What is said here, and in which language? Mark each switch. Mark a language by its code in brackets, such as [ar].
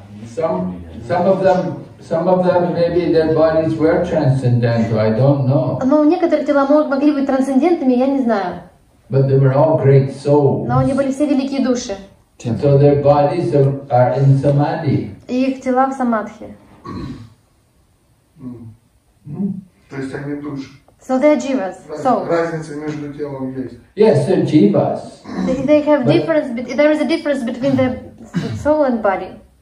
[en] Some of them, maybe their bodies were transcendental. I don't know. [ru] Но некоторые тела могли быть трансцендентными, я не знаю. [en] But they were all great souls. [ru] Но они были все великие души. [en] So their bodies are in samadhi. [ru] Их тела в самадхи. То есть они души. [en] So they are jivas. [ru] Разница между телом есть. [en] Yes, they're jivas. They have difference, but there is a difference between the soul and body.